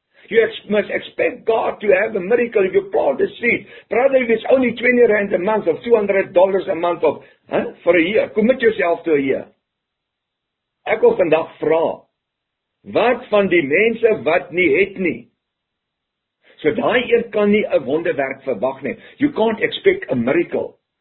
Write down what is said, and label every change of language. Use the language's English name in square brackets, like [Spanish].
[English] You must expect God to have a miracle if you plant a seed. Brother, if it's only 20 rand a month, of $200 a month, of, for a year, commit yourself to a year. [Afrikaans] Ek wil vandag vra, wat van die mense wat nie het nie? So daai een kan nie 'n wonderwerk verwag nie. [English] You can't expect a miracle.